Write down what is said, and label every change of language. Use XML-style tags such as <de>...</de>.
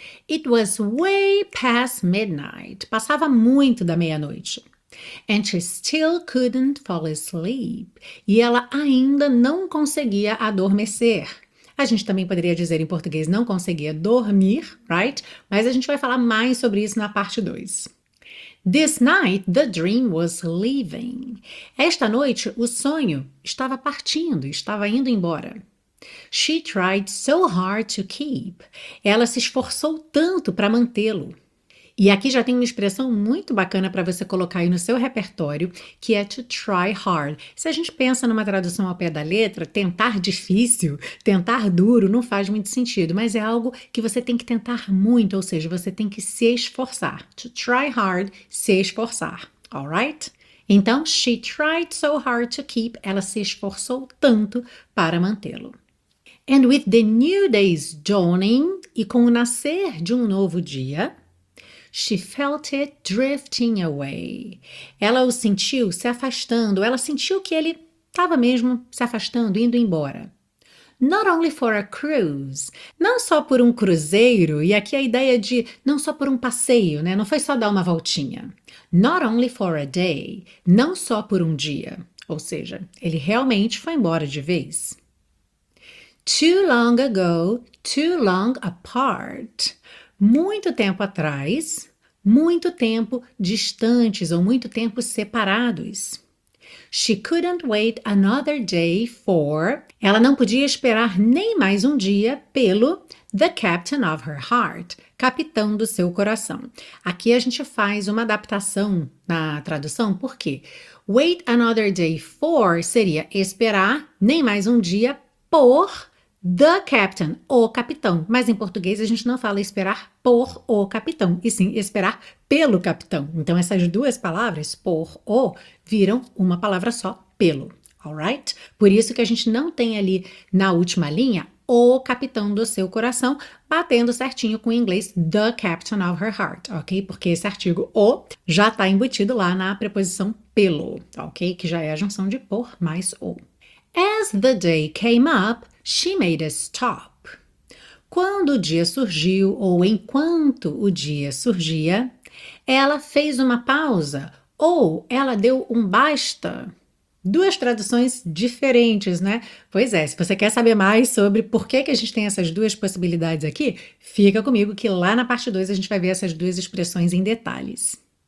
<en>It was way past midnight.</en> <pt>Passava muito da meia-noite.</pt> <en>And she still couldn't fall asleep.</en> <pt>E ela ainda não conseguia adormecer. A gente também poderia dizer em português não conseguia dormir, right? Mas a gente vai falar mais sobre isso na parte 2.</pt> <en>This night, the dream was leaving.</en> <pt>Esta noite, o sonho estava partindo, estava indo embora.</pt> <en>She tried so hard to keep.</en> <pt>Ela se esforçou tanto para mantê-lo. E aqui já tem uma expressão muito bacana para você colocar aí no seu repertório, que é</pt> <en>to try hard.</en> <pt>Se a gente pensa numa tradução ao pé da letra, tentar difícil, tentar duro, não faz muito sentido, mas é algo que você tem que tentar muito, ou seja, você tem que se esforçar.</pt> <en>To try hard,</en> <pt>se esforçar.</pt> <en>All right? Então, she tried so hard to keep.</en> <pt>Ela se esforçou tanto para mantê-lo.</pt> <en>And with the new day's dawning,</en> <pt>e com o nascer de um novo dia,</pt> <en>she felt it drifting away.</en> <pt>Ela o sentiu se afastando, ela sentiu que ele estava mesmo se afastando, indo embora.</pt> <en>Not only for a cruise,</en> <pt>não só por um cruzeiro, e aqui a ideia de não só por um passeio, né? Não foi só dar uma voltinha.</pt> <en>Not only for a day,</en> <pt>não só por um dia, ou seja, ele realmente foi embora de vez.</pt> <en>Too long ago, too long apart.</en> <pt>Muito tempo atrás, muito tempo distantes ou muito tempo separados.</pt> <en>She couldn't wait another day for.</en> <pt>Ela não podia esperar nem mais um dia pelo</pt> <en>the captain of her heart,</en> <pt>capitão do seu coração. Aqui a gente faz uma adaptação na tradução, por quê?</pt> <en>Wait another day for</en> <pt>seria esperar nem mais um dia por</pt> <en>the captain,</en> <pt>o capitão. Mas em português a gente não fala esperar por o capitão, e sim esperar pelo capitão. Então essas duas palavras, por o, viram uma palavra só, pelo. Alright? Por isso que a gente não tem ali na última linha o capitão do seu coração, batendo certinho com o inglês</pt> <en>the captain of her heart,</en> <pt>ok? Porque esse artigo o já está embutido lá na preposição pelo, ok? Que já é a junção de por mais o.</pt> <en>As the day came up, she made a stop.</en> <pt>Quando o dia surgiu, ou enquanto o dia surgia, ela fez uma pausa, ou ela deu um basta. Duas traduções diferentes, né? Pois é, se você quer saber mais sobre por que que a gente tem essas duas possibilidades aqui, fica comigo que lá na parte 2 a gente vai ver essas duas expressões em detalhes.</pt>